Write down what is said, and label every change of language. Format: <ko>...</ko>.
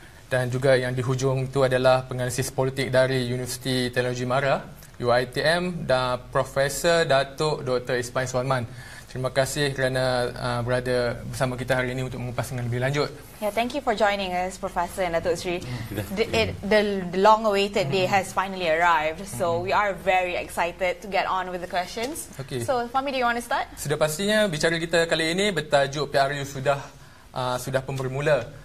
<ms>Dan juga yang di hujung itu adalah penganalisis politik dari Universiti Teknologi MARA, UiTM, dan Profesor Datuk Dr. Ismail Suhaiman. Terima kasih kerana berada bersama kita hari ini untuk mengupas dengan lebih lanjut.</ms> <en>Yeah, thank you for joining us, Professor and Datuk Sri. The long-awaited day has finally arrived, so we are very excited to get on with the questions. Okay. So, Fahmi, do you want to start?</en> <ms>Sudah pastinya, bicara kita kali ini bertajuk PRU sudah pun bermula.</ms>